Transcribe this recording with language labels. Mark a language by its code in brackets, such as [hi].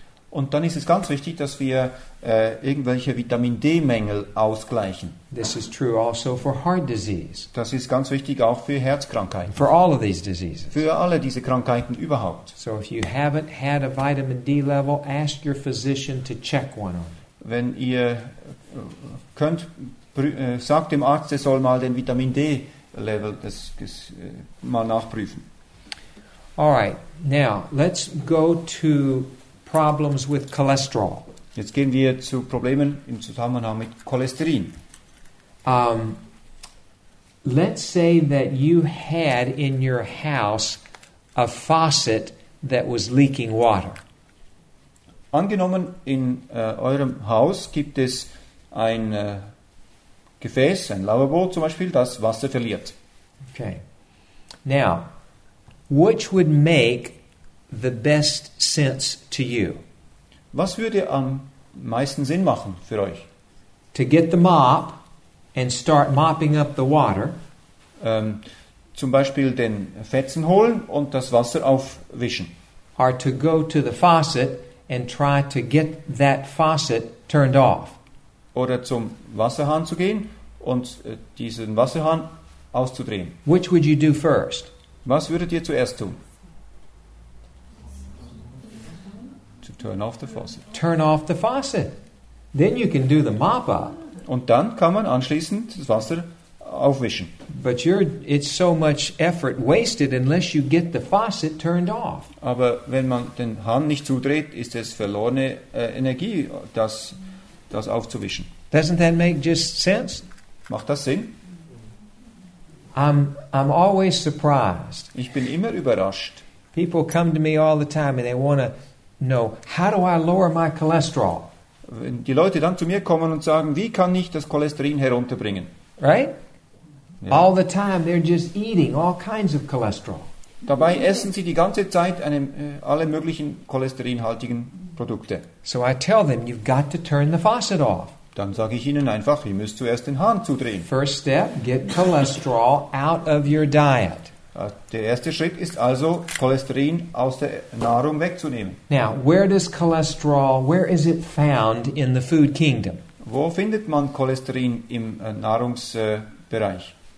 [de] Und dann ist es ganz wichtig, dass wir irgendwelche Vitamin D-Mängel ausgleichen. [en] This is true also for heart disease. [de] Das ist ganz wichtig auch für Herzkrankheiten. [en] For all of these diseases. [de] Für alle diese Krankheiten überhaupt. [en] So if you haven't had a vitamin D level, ask your physician to check one on. [de] Wenn ihr könnt, sagt dem Arzt, er soll mal den Vitamin D Level das mal nachprüfen. [en] All right. Now, let's go to problems with cholesterol. [de] Jetzt gehen wir zu Problemen im Zusammenhang mit Cholesterin. [en] Let's say that you had in your house a faucet that was leaking water. [de] Angenommen, in eurem Haus gibt es ein Gefäß, ein Lavabo zum Beispiel, das Wasser verliert. [en] Okay. Now, which would make the best sense to you? [de] Was würde am meisten Sinn machen für euch? [en] To get the mop and start mopping up the water. [de] Zum Beispiel den Fetzen holen und das Wasser aufwischen. [en] Or to go to the faucet and try to get that faucet turned off. [de] Oder zum Wasserhahn zu gehen und diesen Wasserhahn auszudrehen. [en] Which would you do first? [de] Was würdet ihr zuerst tun? [en] To turn off the faucet. Turn off the faucet. Then you can do the mop up. [de] Und dann kann man anschließend das Wasser aufwischen. [en] But it's so much effort wasted unless you get the faucet turned off. [de] Aber wenn man den Hahn nicht zudreht, ist es verlorene Energie, das aufzuwischen. [en] Doesn't that make just sense? [de] Macht das Sinn? [en] I'm always surprised. [de] Ich bin immer überrascht. [en] People come to me all the time and they want to know, how do I lower my cholesterol? [de] Wenn die Leute dann zu mir kommen und sagen, wie kann ich das Cholesterin herunterbringen? [en] Right? Yeah. All the time they're just eating all kinds of cholesterol. [de] Dabei essen sie die ganze Zeit alle möglichen cholesterinhaltigen Produkte. [en] So I tell them, you've got to turn the faucet off. [de] Dann sage ich Ihnen einfach, ihr müsst zuerst den Hahn zudrehen. [en] First step, get cholesterol out of your diet. [de] Der erste Schritt ist also, Cholesterin aus der Nahrung wegzunehmen. [en] Now, where does cholesterol, where is it found in the food kingdom? [de] Wo findet man Cholesterin im Nahrungsbereich?